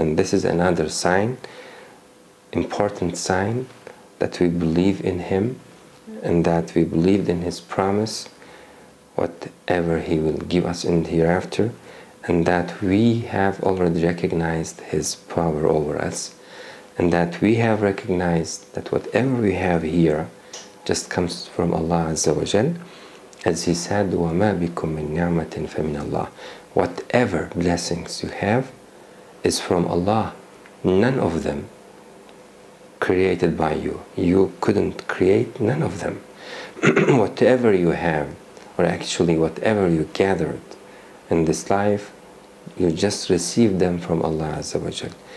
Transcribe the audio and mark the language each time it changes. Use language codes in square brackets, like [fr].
[en] And this is another sign, important sign, that we believe in Him and that we believed in His promise, whatever He will give us in the hereafter, and that we have already recognized His power over us, and that we have recognized that whatever we have here just comes from Allah Azza wa Jal. [ar] As He said, وَمَا بِكُم مِّن نِعْمَةٍ فَمِنَ اللَّهِ. [en] Whatever blessings you have is from Allah. None of them created by you. You couldn't create none of them. Whatever you have, or actually whatever you gathered in this life, you just received them from Allah Azza wa Jal.